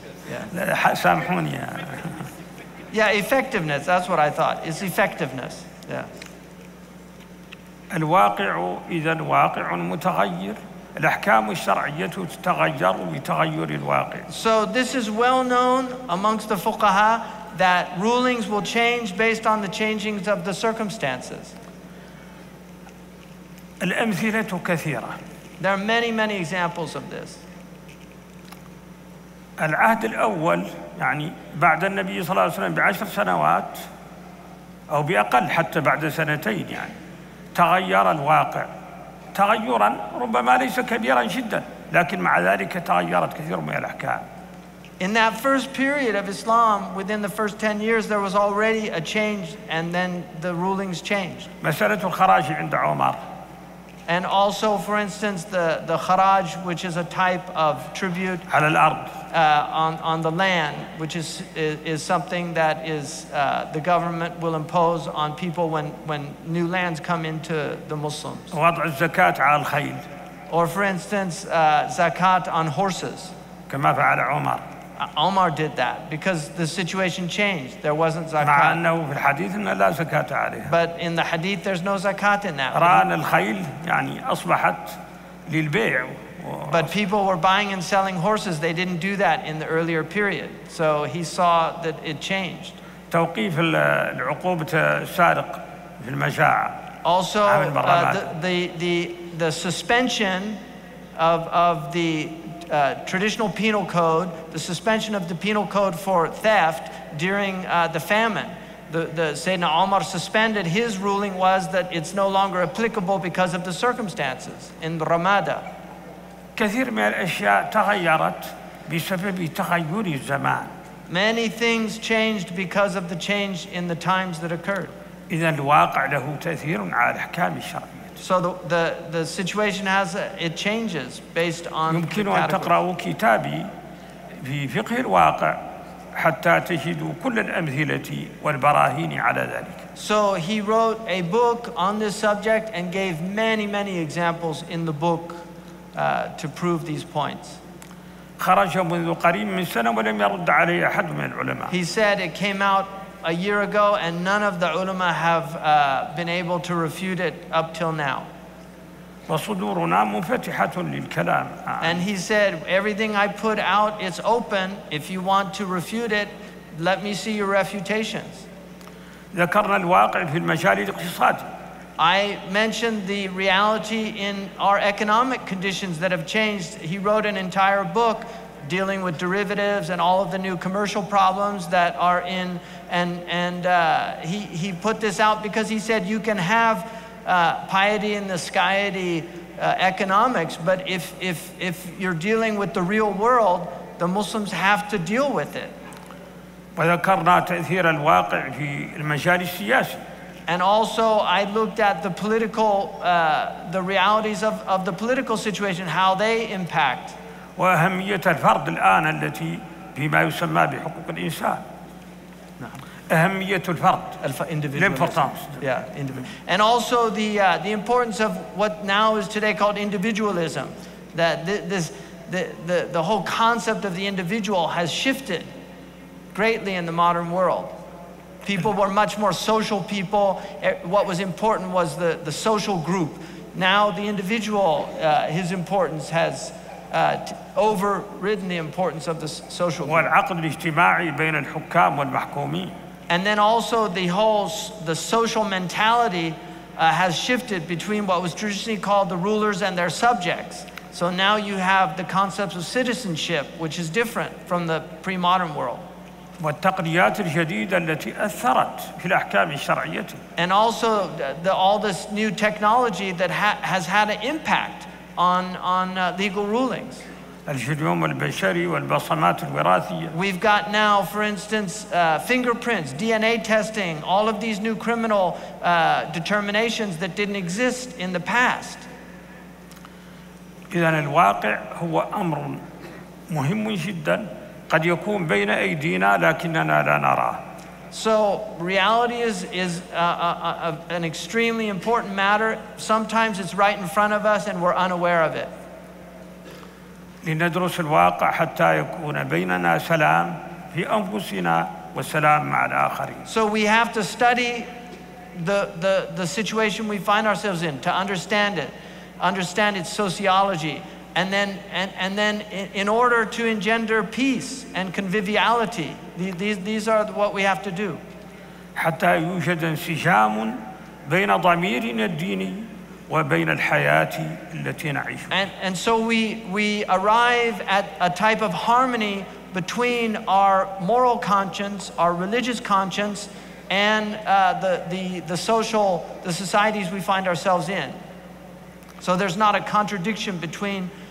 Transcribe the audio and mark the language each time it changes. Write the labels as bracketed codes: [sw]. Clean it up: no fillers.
[en] Yeah. [ar] سامحوني. [en] Yeah, effectiveness. That's what I thought. It's effectiveness. Yeah. [ar] الواقع إذا واقع متغير الأحكام الشرعية تتغير بتغير الواقع. [en] So this is well known amongst the fuqaha that rulings will change based on the changings of the circumstances. [ar] الأمثلة كثيرة. [en] There are many, many examples of this. [ar] العهد الأول يعني بعد النبي صلى الله عليه وسلم بعشر سنوات أو بأقل حتى بعد سنتين يعني. تغير الواقع تغيرا ربما ليس كبيرا جدا لكن مع ذلك تغيرت كثير من الأحكام. [en] In that first period of Islam, within the first 10 years, there was already a change, and then the rulings changed. [ar] مسألة الخراج عند عمر. [en] And also, for instance, the خراج, which is a type of tribute. [ar] على الأرض. [en] on the land, which is something that is the government will impose on people when new lands come into the Muslims. [ar] وضع الزكاة على الخيل. [en] Or for instance, zakat on horses. [ar] كما فعل عمر. [en] Omar did that because the situation changed. There wasn't zakat. [ar] مع أنه في الحديث أن لا زكاة عليها. [en] But in the hadith, there's no zakat in that. [ar] ران الخيل يعني أصبحت للبيع. [en] But people were buying and selling horses. They didn't do that in the earlier period. So he saw that it changed. [ar] توقيف العقوبة السارق في المجاعة. [en] Also, the suspension of the traditional penal code, the suspension of the penal code for theft during the famine. The Sayyidina Omar suspended, his ruling was that it's no longer applicable because of the circumstances in Ramada. [ar] كثير من الأشياء تغيرت بسبب تغير الزمان. [en] Many things changed because of the change in the times that occurred. [ar] إذن الواقع له تأثير على الأحكام الشرعية. [en] So the situation has it changes based on. [ar] يمكن أن تقرأوا كتابي في فقه الواقع حتى تجدوا كل الأمثلة والبراهين على ذلك. [en] So he wrote a book on this subject and gave many many examples in the book. To prove these points. [ar] خرج منذ قريب من سنة ولم يرد عليه أحد من العلماء. [en] He said it came out a year ago and none of the ulama have been able to refute it up till now. [ar] وصدورنا مفتحة للكلام. [en] And he said everything I put out is open. If you want to refute it, let me see your refutations. [ar] ذكرنا الواقع في المجال الاقتصادي. [en] I mentioned the reality in our economic conditions that have changed. He wrote an entire book dealing with derivatives and all of the new commercial problems that are in. And he put this out because he said you can have piety in the skyity economics, but if you're dealing with the real world, the Muslims have to deal with it. [ar] وذكرنا تأثير الواقع في المجال السياسي. [en] And also, I looked at the political, the realities of the political situation, how they impact. [ar] وأهمية الفرد الآن التي بما يسمى بحقوق الإنسان. نعم. أهمية الفرد. [en] Individualism. Importance. Yeah, individual. And also the importance of what now is today called individualism, that the whole concept of the individual has shifted greatly in the modern world. People were much more social people. What was important was the social group. Now the individual, his importance has overridden the importance of the social group. [ar] والعقد الاجتماعي بين الحكام والمحكومين. [en] And then also the social mentality has shifted between what was traditionally called the rulers and their subjects. So now you have the concepts of citizenship, which is different from the pre-modern world. [ar] والتقنيات الجديدة التي أثرت في الأحكام الشرعية. [en] And also all this new technology that has had an impact on legal rulings. [ar] الجينوم البشري والبصمات الوراثية. [en] We've got now, for instance, fingerprints, DNA testing, all of these new criminal determinations that didn't exist in the past. [ar] إذن الواقع هو أمر مهم جدا. قد يكون بين أيدينا لكننا لا نراه. [en] So reality is an extremely important matter. Sometimes it's right in front of us and we're unaware of it. [ar] لندرس الواقع حتى يكون بيننا سلام في أنفسنا والسلام مع الآخرين. [en] So we have to study the situation we find ourselves in to understand it, understand its sociology. And then in order to engender peace and conviviality, these are what we have to do. [ar] حتى يوجد انسجام بين ضميرنا الديني وبين الحياة التي نعيش. [en] And so we arrive at a type of harmony between our moral conscience, our religious conscience, and the societies we find ourselves in. So there's not a contradiction between.